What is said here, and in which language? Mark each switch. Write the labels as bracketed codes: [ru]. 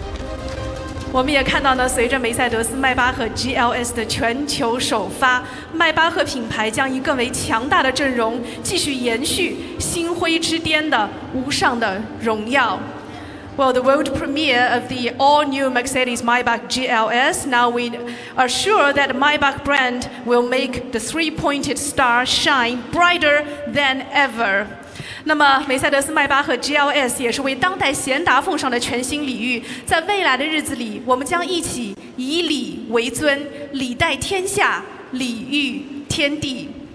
[zh] 那我们现在要欢迎的是杨明先生和段晶晶先生再一次回到舞台上，和唐诗凯先生三位一同合影留念，来记录下这样一个特殊的、值得纪念的时刻。来，有请。我们也看到呢，随着梅赛德斯迈巴赫 GLS 的全球首发，迈巴赫品牌将以更为强大的阵容，继续延续星辉之巅的无上的荣耀。 [en] Well, the world premiere of the all-new Mercedes-Maybach GLS. Now we are sure that the Maybach brand will make the three-pointed star shine brighter than ever. [zh] 那么，梅赛德斯迈巴赫 GLS 也是为当代贤达奉上的全新礼遇。在未来的日子里，我们将一起以礼为尊，礼待天下，礼遇天地。